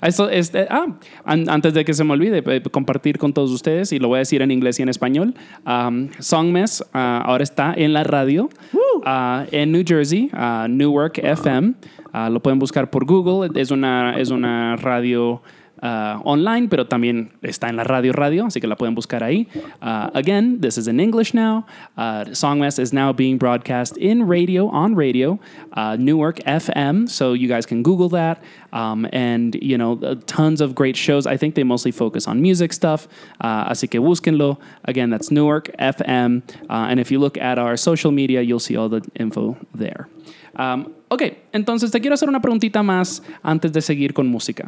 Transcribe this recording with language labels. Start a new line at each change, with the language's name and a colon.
Spanish: Esto, antes de que se me olvide, compartir con todos ustedes, y lo voy a decir en inglés y en español, Songmas ahora está en la radio, en New Jersey, Newark FM, lo pueden buscar por Google, es una radio... online, pero también está en la radio, así que la pueden buscar ahí.
English: Again, this is in English now. Songmas is now being broadcast on radio, Newark FM, so you guys can Google that. And, you know, tons of great shows. I think they mostly focus on music stuff,
Spanish: así que búsquenlo.
English: Again, that's Newark FM. And if you look at our social media, you'll see all the info there.
Spanish: Ok, entonces te quiero hacer una preguntita más antes de seguir con música.